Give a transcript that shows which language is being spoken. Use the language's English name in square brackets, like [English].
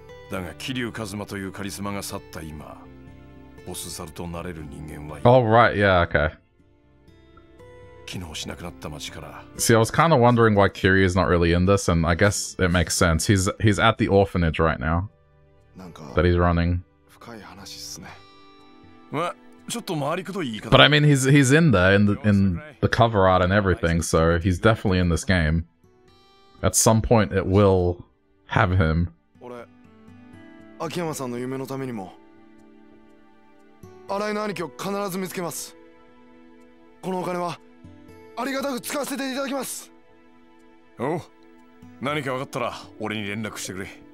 [Japanese] だが桐生一馬というカリスマが去った今、ボス猿となれる人間は。 [English] Oh, right, yeah, okay. [Japanese] 機能しなくなった街から。 [English] See, I was kind of wondering why Kiryu is not really in this, and I guess it makes sense. He's at the orphanage right now. [Japanese] なんか。 [English] That he's running. [Japanese] 深い話っすね。まあ、ちょっと回りくどい言い方。 [English] But I mean, he's in there, in the cover art and everything, so he's definitely in this game. At some point, it will have him. [Japanese] 秋山さんの夢のためにも、新井の兄貴を必ず見つけます。このお金はありがたく使わせていただきます。おう、何か分かったら俺に連絡してくれ。